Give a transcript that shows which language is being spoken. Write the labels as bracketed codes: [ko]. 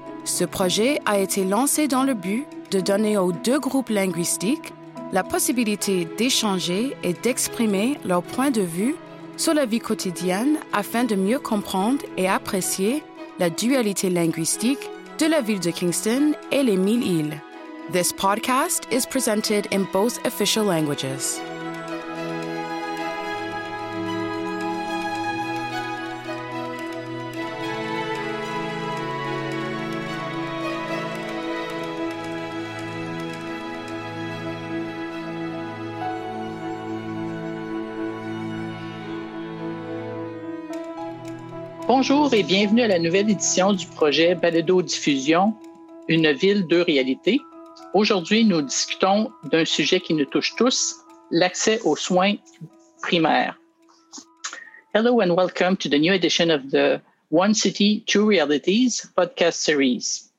[fr] Ce projet a été lancé dans le but de donner aux deux groupes linguistiques la possibilité d'échanger et d'exprimer leur point de vue sur la vie quotidienne afin de mieux comprendre et apprécier la dualité linguistique de la ville de Kingston et les Mille Îles. [en] This podcast is presented in both official languages. [fr] Bonjour et bienvenue à la nouvelle édition du projet Balado Diffusion, une ville, deux réalités. Aujourd'hui, nous discutons d'un sujet qui nous touche tous, l'accès aux soins primaires. [en] Hello and welcome to the new edition of the One City, Two Realities podcast series.